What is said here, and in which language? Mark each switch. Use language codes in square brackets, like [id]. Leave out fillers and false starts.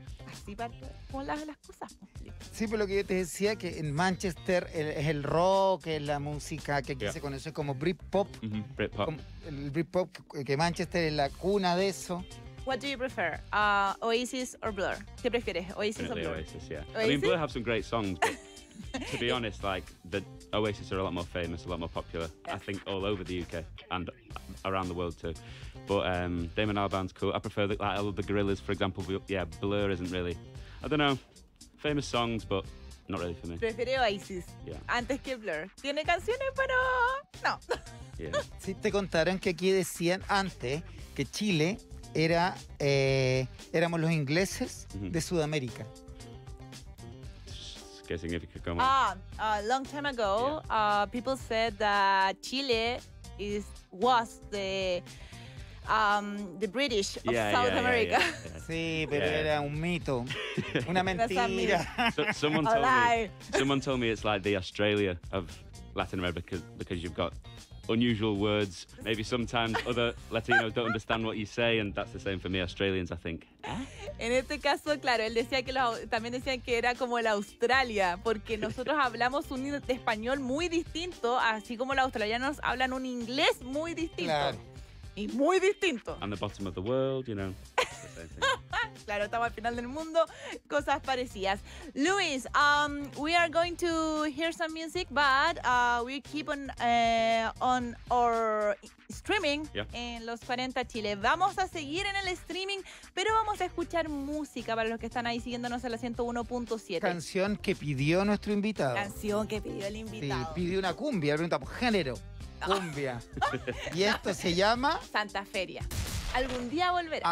[es] Así partió, con las cosas. Sí, pero lo que yo te decía, que en Manchester es el rock, es la música que aquí se conoce como Britpop. Mm-hmm. Britpop. El Britpop, que Manchester es la cuna de eso. [en] What do you prefer, Oasis or Blur? [es] ¿Qué prefieres, Oasis [en] Apparently [es] o Blur? [en] Oasis, yeah. Oasis? I mean, Blur have some great songs, but to be honest, like, the Oasis are a lot more famous, a lot more popular, I think, all over the UK and around the world too. But Damon Albarn's cool. I prefer the Gorillaz, for example. Blur isn't really, I don't know. Famous songs, but not really for me. [es] Prefiero Oasis antes que Blur. Tiene canciones, pero no. [en] Yeah. [es] Sí, te contaron que aquí decían antes que Chile era, éramos los ingleses de Sudamérica. ¿Qué significa? ¿Cómo? [en] A long time ago, people said that Chile was the... the British of South America. [es] Sí, pero era un mito. Una mentira. [en] Someone told me it's like the Australia of Latin America because you've got unusual words. Maybe sometimes other Latinos don't understand what you say, and that's the same for me, Australians, I think. [es] En este caso, claro, él decía que también decían que era como la Australia, porque nosotros hablamos un español muy distinto, así como los australianos hablan un inglés muy distinto. Claro. Y muy distinto. [en] And the bottom of the world, you know. [es] Claro, estamos al final del mundo. Cosas parecidas. [en] Luis, we are going to hear some music, but we keep on our streaming en Los 40 Chile. [es] Vamos a seguir en el streaming, pero vamos a escuchar música para los que están ahí siguiéndonos en la 101.7. Canción que pidió nuestro invitado. Canción que pidió el invitado. Sí, pidió una cumbia, pregunta por género. Cumbia. Y esto se llama Santa Feria. Algún día volverás.